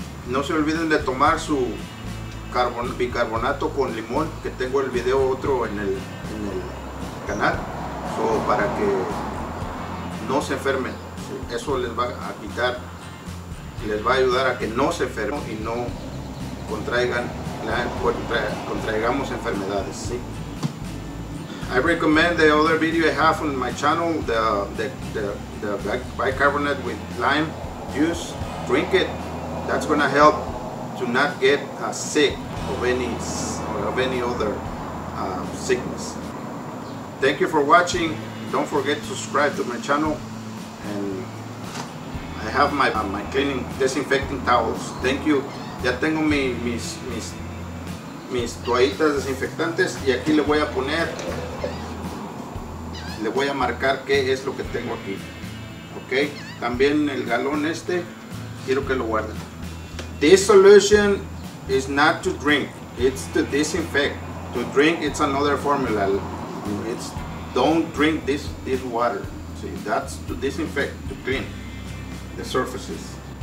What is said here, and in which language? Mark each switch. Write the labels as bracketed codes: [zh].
[es] No se olviden de tomar su bicarbonato con limón, que tengo el video otro en el canal, para que no se enfermen. Eso les va a ayudar a que no se enfermen y no contraigamos enfermedades, ¿sí? [en] I recommend the other video I have on my channel, the bicarbonate with lime juice. Drink it. That's gonna help to not get sick of any other sickness. Thank you for watching. Don't forget to subscribe to my channel, and I have my cleaning disinfecting towels. Thank you. [es] Ya tengo mis toallitas desinfectantes, y aquí le voy a marcar qué es lo que tengo aquí. Okay. También el galón este quiero que lo guarden. [en] This solution is not to drink, it's to disinfect. To drink, it's another formula. It's don't drink this water. See, that's to disinfect, to clean the surfaces.